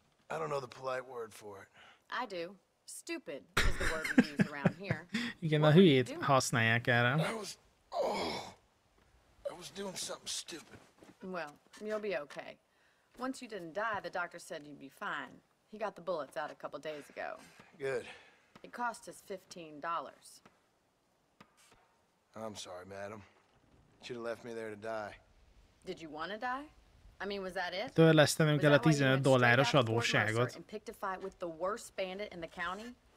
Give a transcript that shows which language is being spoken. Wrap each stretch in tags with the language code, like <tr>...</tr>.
<en>I don't know the polite word for it. I do. Stupid is the word we use around here.</en> <hu>Igen, a hülyét használják erre.</hu> <en>I was, oh, was doing something stupid. Well, you'll be okay. Once you didn't die, the doctor said you'd be fine. He got the bullets out a couple days ago. Good. It cost us $15. I'm sorry, madam. Should have left me there to die. Did you want to die? I mean, was that it?</en> <hu>Törlesztenünk kell a $15 adósságot.</hu> <en>And picked a fight with the worst bandit in the county?</en>